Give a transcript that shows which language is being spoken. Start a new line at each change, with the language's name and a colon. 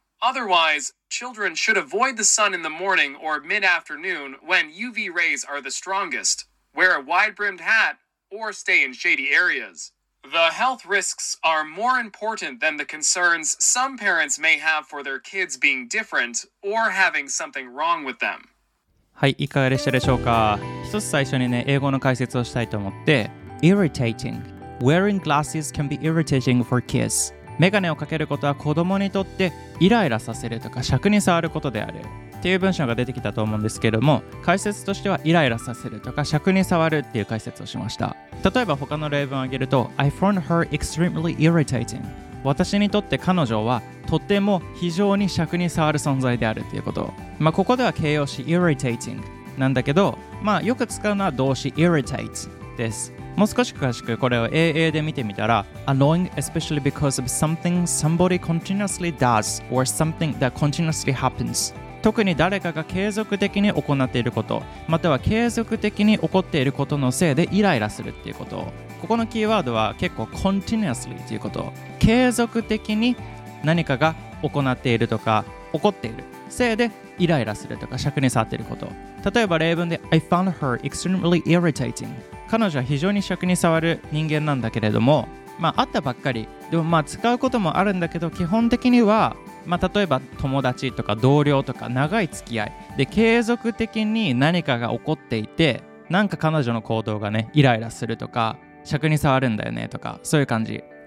English: Otherwise, children should avoid the sun in the morning or mid-afternoon when UV rays are the strongest, wear a wide-brimmed hat, or stay in shady areas. The health risks are more important than the concerns some parents may have for their kids being different or having something wrong with them.
Japanese: はい、いかがでしたでしょうか。一つ最初にね、英語の解説をしたいと思って、irritating.
English: Wearing glasses can be irritating for kids.
Japanese: メガネをかけることは子供にとってイライラさせるとか尺に触ることであるっていう文章が出てきたと思うんですけども、解説としてはイライラさせるとか尺に触るっていう解説をしました。例えば他の例文を挙げると、
English: I found her extremely irritating.
Japanese: 私にとって彼女はとても非常に尺に触る存在であるっていうこと。まあここでは形容詞 irritating なんだけど、まあよく使うのは動詞 irritate です。もう少し詳しくこれを AA で見てみたら、
English: Annoying especially because of something somebody continuously does or something that continuously happens.
Japanese: 特に誰かが継続的に行っていること、または継続的に起こっていることのせいでイライラするっていうこと。ここのキーワードは結構 continuously ということ。継続的に何かが行っているとか起こっているせいでイライラするとか尺に触っていること。例えば例文で、
English: I found her extremely irritating.
Japanese: 彼女は非常に尺に触る人間なんだけれども、まあ、会ったばっかりでも、まあ使うこともあるんだけど、基本的には、まあ、例えば友達とか同僚とか長い付き合いで継続的に何かが起こっていて、なんか彼女の行動がねイライラするとか尺に触るんだよねとか、そういう感じ。